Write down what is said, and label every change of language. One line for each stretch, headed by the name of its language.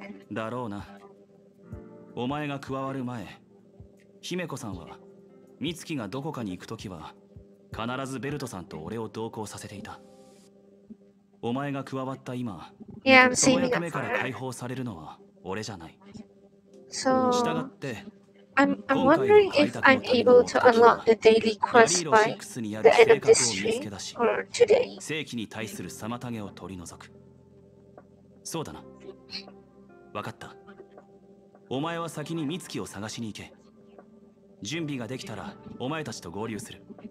Japanese: だろうな。お前が加わる前、姫子さんは美月がどこかに行くときは必ずベルトさんと俺を同行させていた。お前が加わった今、その役目から解放されるのは俺じゃない。
English: So, I'm wondering if I'm able to unlock the daily quest by the end of this stream or today.
Japanese: 世紀に対する妨げを取り除く。そうだな。わかった。お前は先に美月を探しに行け。準備ができたらお前たちと合流する。